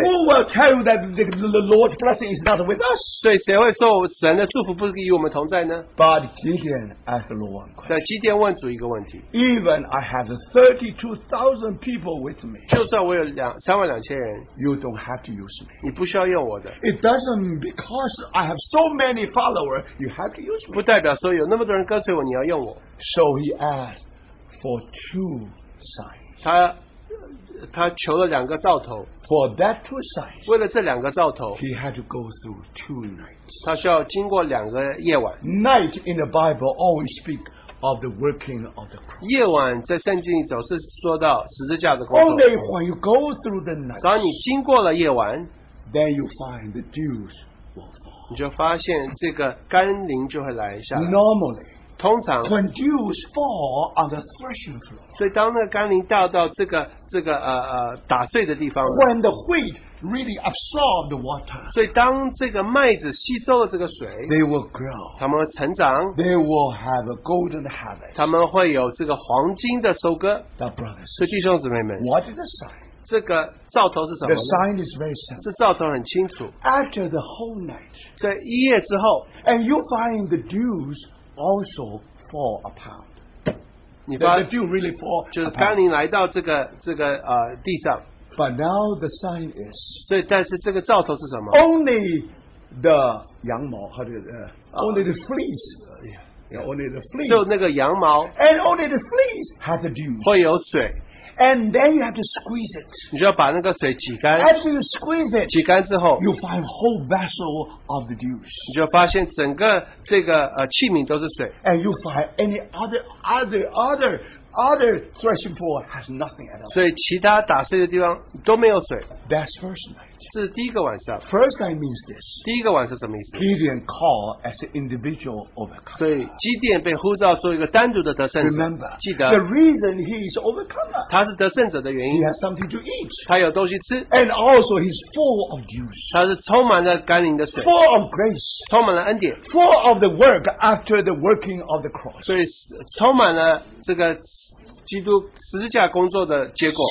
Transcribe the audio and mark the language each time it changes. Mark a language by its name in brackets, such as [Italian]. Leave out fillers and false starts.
[English] Who will tell you that the Lord's blessing is not with us? [Chinese] 对, 谁会说神的祝福不是与我们同在呢? [English] But Gideon asked the Lord one question. [Chinese] 基甸问主一个问题, [English] even I have 32,000 people with me, [Chinese] 就算我有32,000人, [English] you don't have to use me. [Chinese] 你不需要用我的, [English] it doesn't because I have so many followers, you have to use me. [Chinese] 不代表说有那么多人跟随我, 你要用我。 [English] So he asked for two signs. [Chinese] 他求了两个兆头, [English] for that two signs, [Chinese] 为了这两个兆头, [English] he had to go through two nights. [Chinese] 他需要经过两个夜晚。 [English] Night in the Bible always speak of the working of the cross. [Chinese] 夜晚在圣经里总是说到十字架的工作。 [English] Only when you go through the night, [Chinese] 当你经过了夜晚, [English] then you find the dews will fall. [Chinese] 你就发现这个甘霖就会来下来。 [English] Normally, [Chinese] 通常, [English] when dews fall on the threshing floor, [Chinese] 所以当那个甘霖掉到这个打碎的地方, [English] when the wheat really absorb the water, [Chinese] 所以当这个麦子吸收了这个水, [English] they will grow, [Chinese] 他们成长, [English] they will have a golden harvest, [Chinese] 他们会有这个黄金的收割, [English] the brothers, [Chinese] 所以弟兄姊妹们, [English] what is the sign? [Chinese] 这个兆头是什么? [English] The sign is very simple. [Chinese] 这兆头很清楚, [English] after the whole night, [Chinese] 这一夜之后, [English] and you find the dews also fall upon. The dew really fall upon. [Chinese] 就是甘霖来到这个地上。 [English] But now the sign is, [Chinese] 所以但是这个兆头是什么? [English] Only the 羊毛, only the fleece, yeah, only the fleece, [Chinese] 就那个羊毛, [English] and only the fleece has the dew. [Chinese] 会有水。 [English] And then you have to squeeze it. [Chinese] 你就要把那个水挤干, [English] after you squeeze it, [Chinese] 挤干之后, [English] you find whole vessel of the dews. [Chinese] 你就发现整个这个器皿都是水, [English] and you find any other threshing floor has nothing at all. [Chinese] 所以其他打碎的地方都没有水。 [English] That's first night. [Chinese] 是第一个晚上。 [English] First night means this. [Chinese] 第一个晚上什么意思? [English] Gideon called as an individual overcomer. [Chinese] 所以基甸被呼召做一个单独的得胜者。 [English] Remember, [Chinese] 记得, [English] the reason he is overcomer, [Chinese] 他是得胜者的原因, [English] he has something to eat, [Chinese] 他有东西吃, [English] and also he's full of juice, [Chinese] 他是充满了甘霖的水, [English] full of grace, [Chinese] 充满了恩典, [English] full of the work after the working of the cross. [Chinese] 所以充满了这个 基督十字架工作的结果。